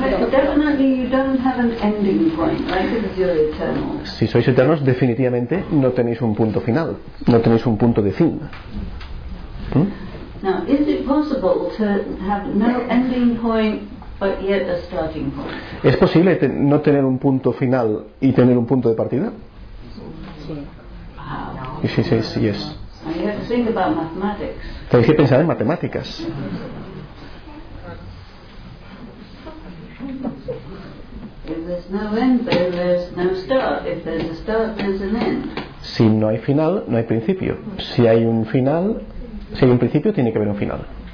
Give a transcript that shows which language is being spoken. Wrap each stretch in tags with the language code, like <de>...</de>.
<en>Definitely, you don't have an ending point, right?</en> <es>Si sois eternos, definitivamente no tenéis un punto final, no tenéis un punto de fin.</es> <en>Now, is it possible to have no ending point but yet a starting point?</en> <es>¿Es posible no tener un punto final y tener un punto de partida? Sí. Wow. Sí, sí,</es> <en>yes. And you have to think about mathematics.</en> <es>Tenéis que pensar en matemáticas.</es> <en>If there's no end, then there's no start. If there's a start, there's an end.</en> <es>Si no hay final, no hay principio. Si hay un final, si hay un principio, tiene que haber un final.</es>